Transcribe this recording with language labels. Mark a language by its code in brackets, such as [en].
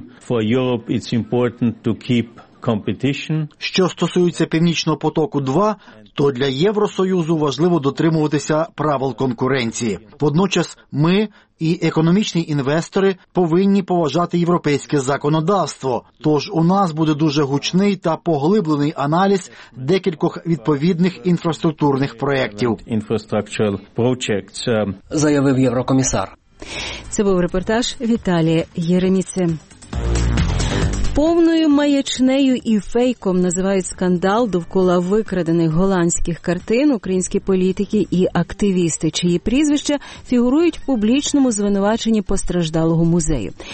[en] For Europe it's important to keep competition. [uk] Що стосується Північного потоку 2, то для Євросоюзу важливо дотримуватися правил конкуренції. Водночас ми і економічні інвестори повинні поважати європейське законодавство. Тож у нас буде дуже гучний та поглиблений аналіз декількох відповідних інфраструктурних проєктів. [en] Infrastructural projects, [uk] заявив єврокомісар. Це був репортаж Віталія Єреміці. Повною маячнею і фейком називають скандал довкола викрадених голландських картин українські політики і активісти, чиї прізвища фігурують в публічному звинуваченні постраждалого музею.